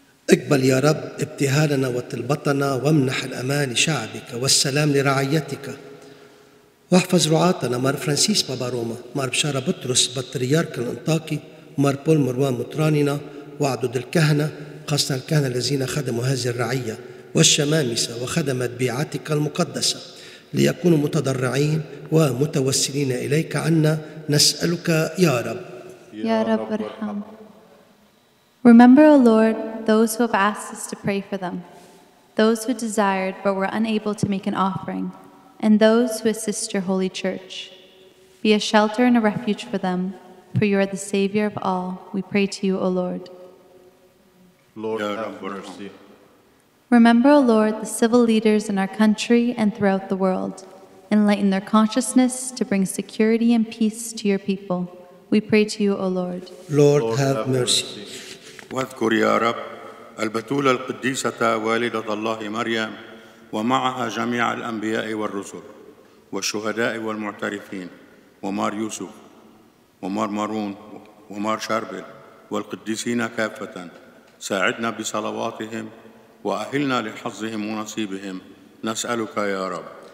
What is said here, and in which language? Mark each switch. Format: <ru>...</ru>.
<ar>اقبل يا رب ابتهالنا وتلبطنا وامنح الأمان لشعبك والسلام لرعيتك واحفظ رعاتنا مار فرانسيس بابا روما مار بشارة بطرس بطريارك الأنطاكي مار بول مروان مطرانينا وعدد الكهنة خاصة الكهنة الذين خدموا هذه الرعية والشمامسة وخدمت بيعتك المقدسة ليكونوا متضرعين ومتوسلين إليك عنا نسألك يا رب يا رب ارحم</ar> <en>Remember, O Lord, those who have asked us to pray for them. those who desired but were unable to make an offering, and those who assist your holy church. Be a shelter and a refuge for them, for you are the Savior of all. We pray to you, O Lord. Lord, have mercy. Remember, O Lord, the civil leaders in our country and throughout the world. Enlighten their consciousness to bring security and peace to your people. We pray to you, O Lord. Lord, have mercy.</en> <ar>واذكر يا رب البتولة القديسة والدة الله مريم ومعها جميع الأنبياء والرسل والشهداء والمعترفين ومار يوسف ومار مارون ومار شربل والقديسين كافة ساعدنا بصلواتهم وأهلنا لحظهم ونصيبهم نسألك يا رب</ar>